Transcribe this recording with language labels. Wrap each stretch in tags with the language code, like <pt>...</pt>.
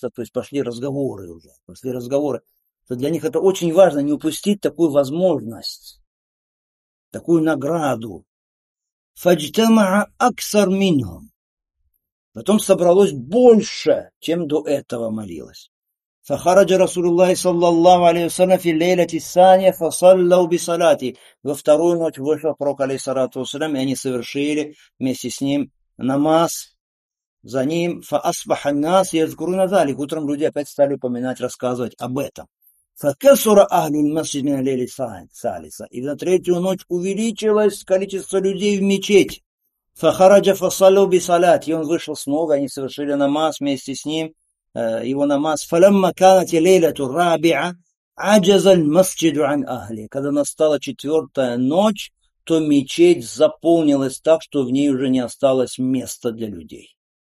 <ru>То есть пошли разговоры уже. Пошли разговоры. То для них это очень важно, не упустить такую возможность, такую награду.</ru> <ar>فَاجْتَمَعَ أَكْثَرْ مِنْهُمْ.</ar> <ru>Потом собралось больше, чем до этого молилось.</ru> <ar>فخرج رسول الله صلى الله عليه وسلم في الليلة الثانية فصلوا بصلاتي.</ar> <ru>Во вторую ночь вышел пророк, алейхиссалату вассалям, и они совершили вместе с ним намаз за ним.</ru> <ar>فأصبح الناس يذكرون ذلك.</ar> <ru>Утром люди опять стали упоминать, рассказывать об этом.</ru> <ar>فكثر أهل المسجد من الليل الثالثة.</ar> <ru>И на третью ночь увеличилось количество людей в мечети.</ru> <ar>فخرج فصلوا بصلاتي.</ar> <ru>И он вышел снова, и они совершили намаз вместе с ним. Его намаз.</ru> <ar>فَلَمَّ كَانَتِ لَيْلَةُ الرَّابِعَ عَجَزَ الْمَسْجِدُ عَنْ أَهْلِهِ.</ar> <ru>Когда настала четвертая ночь, то мечеть заполнилась так, что в ней уже не осталось места для людей.</ru>